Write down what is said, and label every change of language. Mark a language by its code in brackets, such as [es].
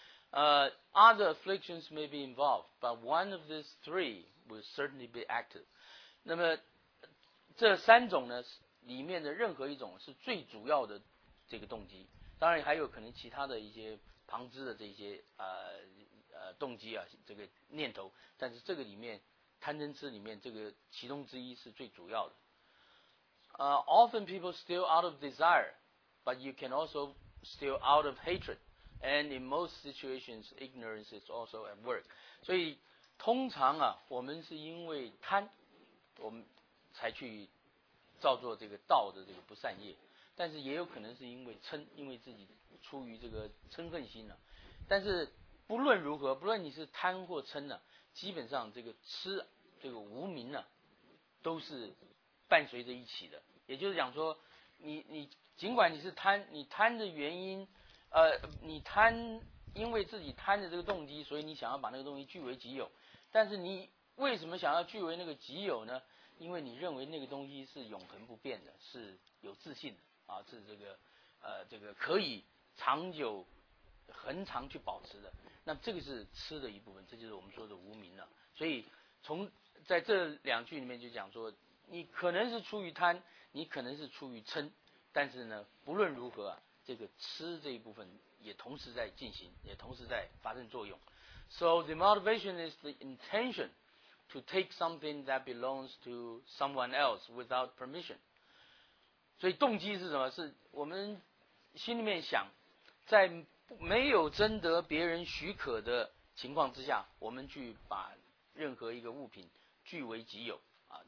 [en] Other afflictions may be involved, but one of these three will certainly be active。 [zh] 那么这三种呢，里面的任何一种是最主要的这个动机，当然还有可能其他的一些旁支的这些动机啊，这个念头，但是这个里面。贪嗔痴里面这个其中之一是最主要的。 [en] Often people steal out of desire, but you can also steal out of hatred. And in most situations, ignorance is also at work. [zh] 所以通常啊，我们是因为贪，我们才去造作这个道的这个不善业。但是也有可能是因为嗔，因为自己出于这个嗔恨心了、啊。但是不论如何，不论你是贪或嗔呢、啊，基本上这个痴这个无明呢、啊、都是伴随着一起的。也就是讲说你尽管你是贪，你贪的原因你贪因为自己贪的这个动机，所以你想要把那个东西据为己有，但是你为什么想要据为那个己有呢？因为你认为那个东西是永恒不变的，是有自信的啊，是这个可以长久恒常去保持的，那这个是吃的一部分，这就是我们说的无明了。所以从在这两句里面就讲说，你可能是出于贪，你可能是出于嗔，但是呢，不论如何啊，这个吃这一部分也同时在进行，也同时在发生作用。 [en] So the motivation is the intention to take something that belongs to someone else without permission. [zh] 所以动机是什么？是我们心里面想，在没有征得别人许可的情况之下，我们去把任何一个物品据为己有啊。